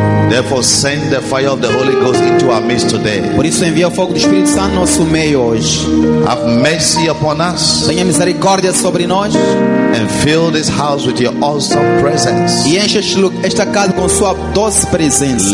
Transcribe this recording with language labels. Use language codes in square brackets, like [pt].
[en] Therefore, send the fire of the Holy Ghost into our midst today. [pt] Por isso envia o fogo do Espírito Santo nosso meio hoje. [en] Have mercy upon us. [pt] Tenha misericórdia sobre nós. [en] And fill this house with your awesome presence. [pt] E enche esta casa com sua doce presença.